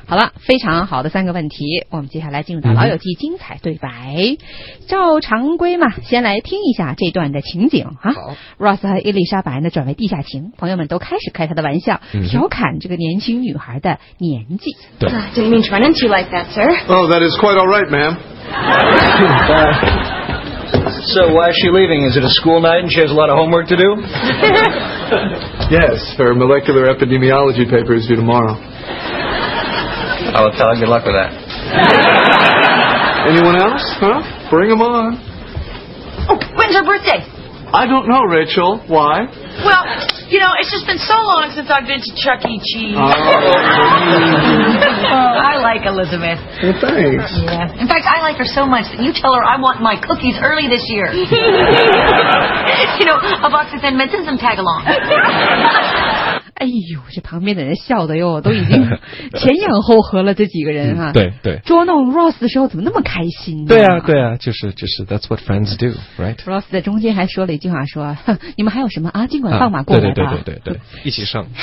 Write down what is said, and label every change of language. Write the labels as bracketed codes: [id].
[zh] 好了，非常好的三个问题，我们接下来进入到老友记精彩对白，照常规嘛，先来听一下这段的情景哈。 Ross 和伊丽莎白呢转为地下情，朋友们都开始开他的玩笑，调侃这个年轻女孩的年纪，对， [en] didn't mean to run into you like that sir。 Oh that is quite all right ma'am so why is she leaving? Is it a school night and she has a lot of homework to do? Yes, her molecular epidemiology paper is due tomorrow. I will tell her good luck with that. Anyone else? Huh? Bring them on. Oh, when's her birthday? I don't know, Rachel. Why? Well, you know, it's just been so long since I've been to Chuck E. Cheese. I like Elizabeth. Well, thanks. Yeah. In fact, I like her so much that you tell her I want my cookies early this year. You know, a box of Thin Mints and some tagalong. [zh] 哎呦，这旁边的人笑的哟，都已经前仰后合了，这几个人哈，对对，捉弄 Ross 的时候怎么那么开心呢？对啊对啊，就是 [en] That's what friends do, right? [zh] Ross 在中间还说了一句话，说你们还有什么啊？尽管放马过来吧，对对对对对，一起上。